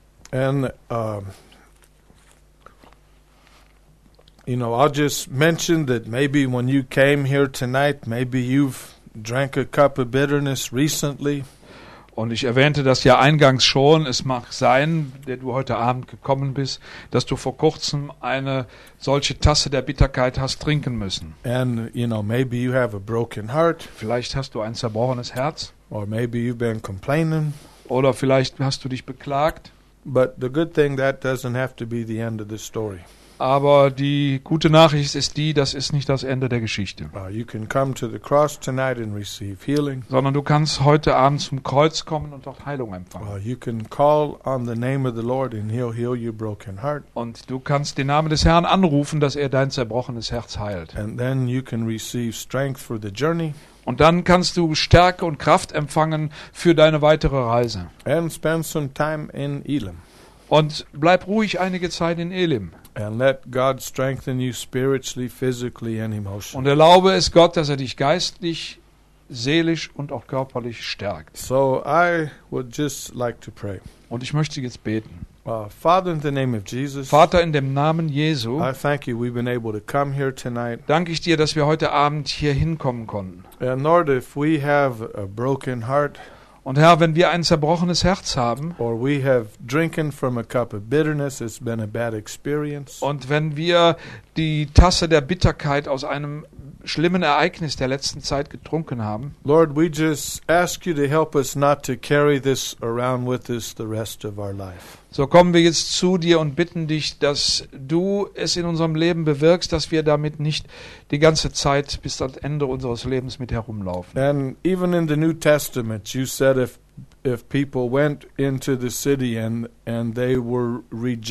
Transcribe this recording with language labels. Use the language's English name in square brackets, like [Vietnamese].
[English] And you know, I'll just mention that maybe when you came here tonight, maybe you've drank a cup of bitterness recently. [German] Und ich erwähnte das ja eingangs schon, es mag sein, der du heute Abend gekommen bist, dass du vor kurzem eine solche Tasse der Bitterkeit hast trinken müssen. [English] And, you know, maybe you have a broken heart. [German] Vielleicht hast du ein zerbrochenes Herz. [English] Or maybe you've been complaining. [German] Oder vielleicht hast du dich beklagt. [English] But the good thing, that doesn't have to be the end of the story. [German] Aber die gute Nachricht ist die, das ist nicht das Ende der Geschichte. [English] You can come to the cross tonight and receive healing. [German] Sondern du kannst heute Abend zum Kreuz kommen und dort Heilung empfangen. [English] You can call on the name of the Lord and he'll heal your broken heart. [German] Und du kannst den Namen des Herrn anrufen, dass er dein zerbrochenes Herz heilt. [English] And then you can receive strength for the journey. [German] Und dann kannst du Stärke und Kraft empfangen für deine weitere Reise. [English] And spend some time in Elim. [German] Und bleib ruhig einige Zeit in Elim. [English] And let God strengthen you spiritually, physically and emotionally. [German] Und erlaube es Gott, dass er dich geistlich, seelisch und auch körperlich stärkt. [English] So I would just like to pray. [German] Und ich möchte jetzt beten. [English] Father, in the name of Jesus. [German] Vater, in dem Namen Jesu. [English] I thank you we've been able to come here tonight. [German] Danke ich dir, dass wir heute Abend hier hinkommen konnten. [English] And Lord, if we have a broken heart. [German] Und Herr, wenn wir ein zerbrochenes Herz haben, [English] or we have drinking from a cup of bitterness, it's been a bad experience. [German] Und wenn wir die Tasse der Bitterkeit aus einem schlimmen Ereignis der letzten Zeit getrunken haben, [English] Lord, we just ask you to help us not to carry this around with us the rest of our life. [German] So kommen wir jetzt zu dir und bitten dich, dass du es in unserem Leben bewirkst, dass wir damit nicht die ganze Zeit bis ans Ende unseres Lebens mit herumlaufen. [English] And even in the New Testament, you said if people went into the city and they were rejected.